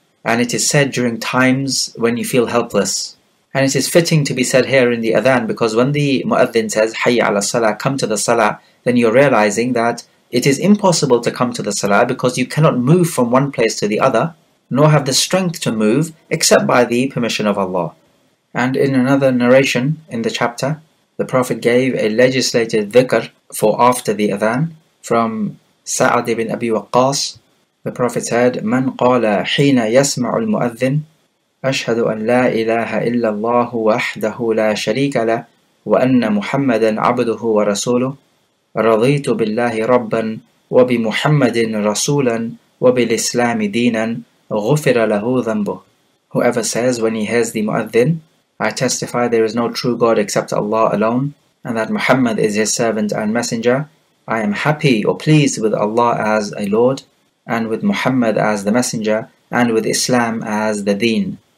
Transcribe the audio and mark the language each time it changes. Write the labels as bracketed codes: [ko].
[en] And it is said during times when you feel helpless. And it is fitting to be said here in the adhan, because when the Mu'adhin says, [ar] Hayya ala salah, [en] come to the salah, then you're realizing that it is impossible to come to the salah because you cannot move from one place to the other, nor have the strength to move except by the permission of Allah. And in another narration in the chapter, the Prophet gave a legislated dhikr for after the adhan from Sa'ad ibn Abi Waqqas. The Prophet said, [ar] من قال حين يسمع المؤذن أشهد أن لا إله إلا الله وحده لا شريك له وأن محمدا عبده ورسوله رضيت بالله ربا وبمحمد رسولا وبالإسلام دينا غفر له ذنبه. [en] Whoever says when he hears the Mu'adhin, I testify there is no true God except Allah alone, and that Muhammad is his servant and messenger, I am happy or pleased with Allah as a Lord, and with Muhammad as the messenger, and with Islam as the deen.